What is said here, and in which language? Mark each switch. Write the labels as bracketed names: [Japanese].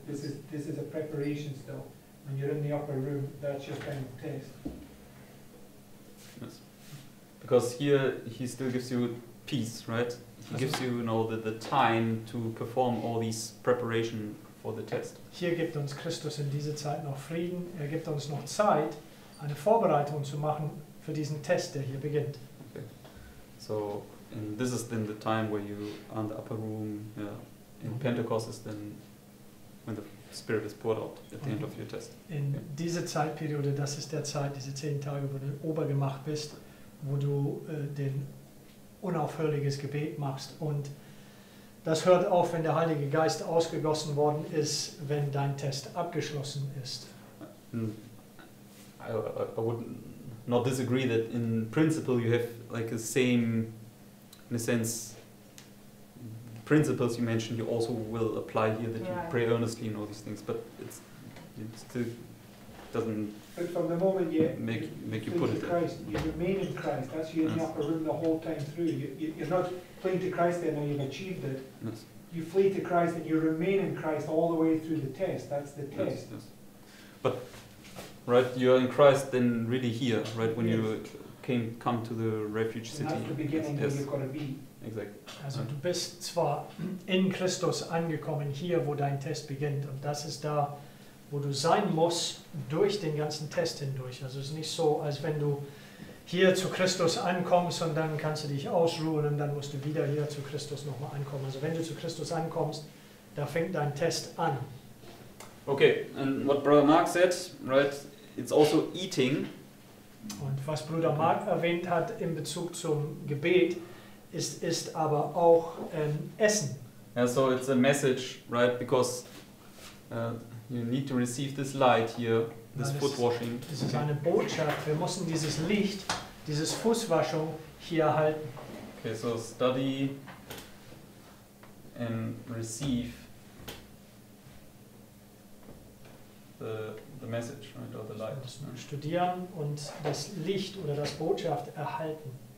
[English] This is a preparation still. When you're in the upper room, that's your kind of test. Yes. Because here, he still gives you peace, right? He gives you, you know, the time to perform all these preparation for the test. [German] Hier gibt uns Christus in dieser Zeit noch Frieden. Gibt uns noch Zeit, eine Vorbereitung zu machen für diesen Test, der hier beginnt. [English] Okay. So, and this is then the time where you are in the upper room. Yeah. In Pentecost is then when the Spirit is poured out at the end of your test. [German] In dieser Zeitperiode, das ist der Zeit, diese 10 Tage, wo du obergemacht bist, wo du den unaufhörliches Gebet machst, und das hört auf, wenn der Heilige Geist ausgegossen worden ist, wenn dein Test abgeschlossen ist. [English] I would not disagree that in principle you have like the same, in a sense, principles you mentioned you also will apply here, that you pray earnestly and all these things, but it's still doesn't. But from the moment you make you put it Christ, there. You remain in Christ. That's you in the upper room the whole time through. You're not fleeing to Christ then and you've achieved it. Yes. You flee to Christ and you remain in Christ all the way through the test. That's the test. Yes. But right, you're in Christ then really here, right? When you come to the refuge and city. That's the beginning where you've got to be. Exactly. [German] Also du bist zwar in Christus angekommen, hier wo dein Test beginnt, und das ist da, wo du sein musst, durch den ganzen Test hindurch. Also es ist nicht so, als wenn du hier zu Christus ankommst und dann kannst du dich ausruhen und dann musst du wieder hier zu Christus nochmal ankommen. Also wenn du zu Christus ankommst, da fängt dein Test an. [English] Okay, and what Brother Mark said, right, it's also eating. [German] Und was Bruder Mark erwähnt hat in Bezug zum Gebet, ist aber auch Essen. [English] Yeah, so it's a message, right, because you need to receive this light here, this foot washing. [German] Das ist eine Botschaft. Wir müssen dieses Licht, dieses Fußwaschung hier erhalten. [English] Okay, so study and receive the message, right, or the light. [German] Studieren und das Licht oder das Botschaft erhalten.